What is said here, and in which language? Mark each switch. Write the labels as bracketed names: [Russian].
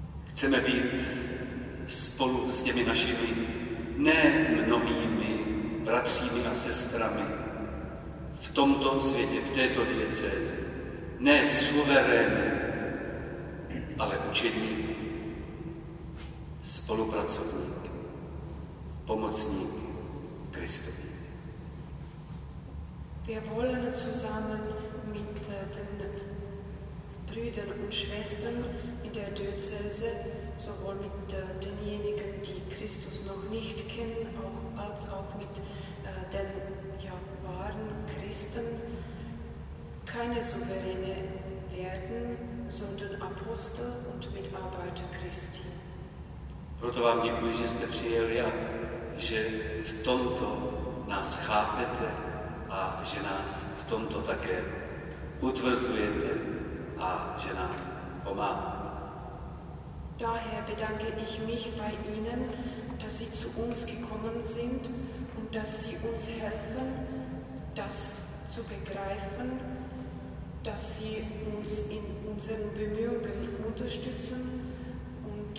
[Czech] Chceme být spolu s těmi našimi ne mnohými bratřími a sestrami v tomto světě, v této diecézi, ne suverény, ale učeníky, spolupracovníky, pomocníky Kristovi. [German] Wir wollen zusammen mit den Brüdern und Schwestern in der Diözese, sowohl mit denjenigen, die Christus noch nicht kennen, auch, als auch mit den ja, wahren Christen, keine Souveräne werden, sondern Apostel und Mitarbeiter Christi. [Czech] Proto vám děkuji, že jste přijeli a že v tomto nás chápete a že nás v tomto také utvrzujete a že nám pomáháte. [German] Daher bedanke ich mich bei Ihnen, dass Sie zu uns gekommen sind und dass Sie uns helfen, das zu begreifen, dass Sie uns in unseren Bemühungen unterstützen und dass Sie uns ja auch konkrete Hilfe leisten.